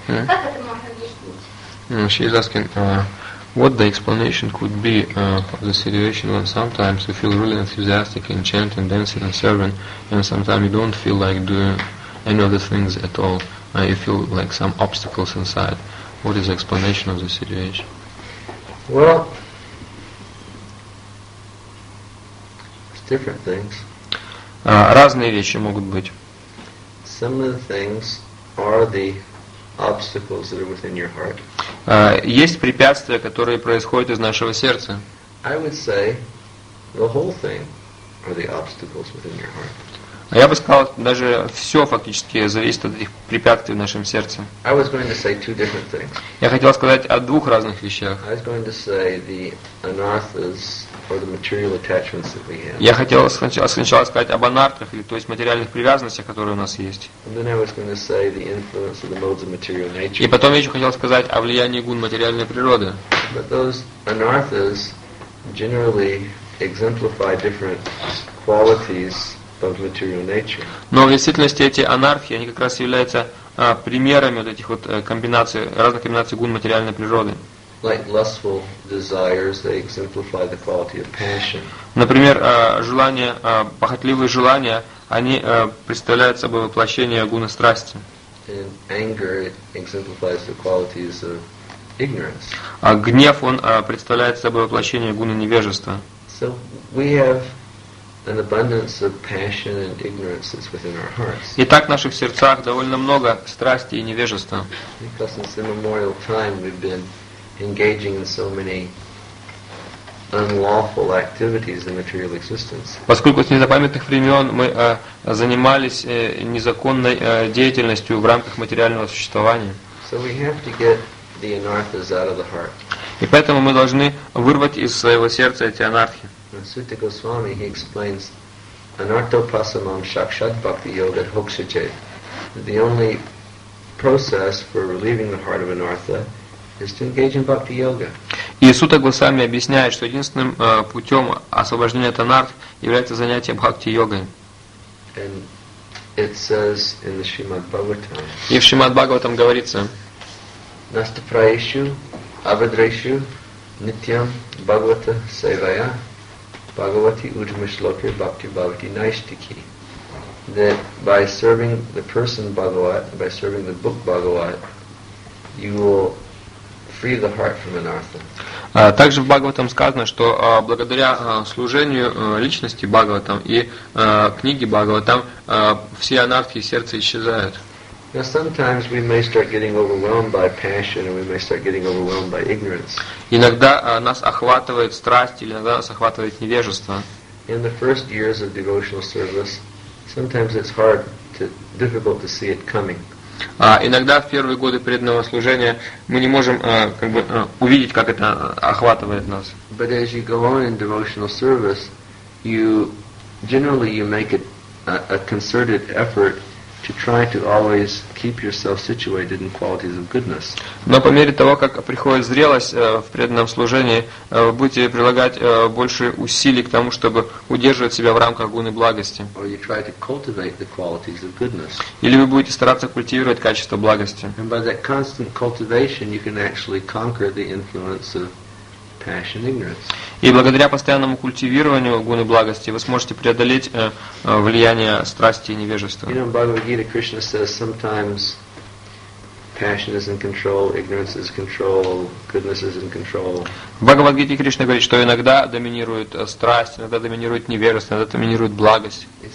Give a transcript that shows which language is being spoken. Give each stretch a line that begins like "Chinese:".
Russian: Как это можно объяснить?
English: She is asking, what the explanation could be of the situation when sometimes you feel really enthusiastic in chanting, dancing and serving, and sometimes you don't feel like doing any of the things at all. You feel like some obstacles inside. What is the explanation of the situation? Well, it's different things.
Russian: Разные вещи могут быть.
English: Some of the things are the obstacles that are within your heart.
Russian: Есть препятствия, которые происходят из нашего сердца.
English: I would say the whole thing are the obstacles within your heart.
Russian: Я бы сказал, даже все фактически зависит от этих препятствий в нашем сердце.
English: I was going to say two different things.
Russian: Я хотел сказать о двух разных вещах.
English: I was going to say the anarthas or the material attachments that we have.
Russian: Я хотел сначала сказать об анартах, то есть материальных привязанностях, которые у нас есть.
English: And then I was going to say the influence of the modes of material nature.
Russian: И потом я еще хотел сказать о влиянии гун материальной природы.
English: But those anarthas generally exemplify different qualities of material nature.
Russian: Но в действительности эти анархии, они как раз являются примерами вот этих вот комбинаций, разных комбинаций гун материальной природы.
English: Like lustful desires, they exemplify the quality of passion.
Russian: Например, желания, похотливые желания, они представляют собой воплощение гуны страсти.
English: And anger exemplifies the qualities of ignorance.
Russian: А гнев, он представляет собой воплощение гуны невежества.
English: So we have an abundance of passion and ignorance that's within our hearts.
Russian: Итак, в наших сердцах довольно много страсти и невежества.
English: Because since immemorial time we've been engaging in so many unlawful activities in material existence.
Russian: Поскольку с незапамятных времен мы занимались незаконной деятельностью в рамках материального существования.
English: So we have to get the anarthas out of the heart.
Russian: И поэтому мы должны вырвать из своего сердца эти анархи.
Sanskrit: Sutta Goswami,
English: he explains
Sanskrit: anartho pasamam shakshat bhakti yoga hokshate.
English: The only process for relieving the heart of anartha is to engage in bhakti yoga.
Russian: И Сутта Госвами объясняет, что единственным путем освобождения от анарт является занятие бхакти йогой.
English: And it says in the Shrimad Bhagavatam.
Russian: И в Шримад Бхагаватам говорится:
Sanskrit: Настапраешу Авадрешу Нитьям Бхагавата Севая. Bhagavati Udmashloki Bhakti Bhavati Naishtiki.
English: That by serving the person Bhagavat, by serving the book Bhagavat, you will free the heart from anartha.
Russian: Также в Бхагаватам сказано, что благодаря служению личности Бхагаватам и книге Бхагаватам все анартхи из сердца исчезают.
English: Now sometimes we may start getting overwhelmed by passion, and we may start getting overwhelmed by ignorance.
Russian: Иногда нас охватывает страсть, или иногда нас охватывает невежество.
English: In the first years of devotional service, sometimes it's difficult to see it coming.
Russian: Иногда в первые годы преданного служения мы не можем увидеть, как это охватывает нас.
English: But as you go on in devotional service, you generally make it a concerted effort to try to always keep yourself situated in qualities of goodness.
Russian: Но по мере того, как приходит зрелость в преданном служении, вы будете прилагать больше усилий к тому, чтобы удерживать себя в рамках гуны благости.
English: Or you try to cultivate the qualities of goodness.
Russian: Или вы будете стараться культивировать качество благости.
English: And by that constant cultivation, you can actually conquer the influence of passion, ignorance.
Russian: И благодаря постоянному культивированию гуны благости вы сможете преодолеть влияние страсти и невежества.
English: You know, in Bhagavad Gita, Krishna says sometimes passion is in control, ignorance is in control, goodness is in control.
Russian: В Бхагавад-гите Кришна говорит, что иногда доминирует страсть, иногда доминирует невежество, иногда доминирует благость.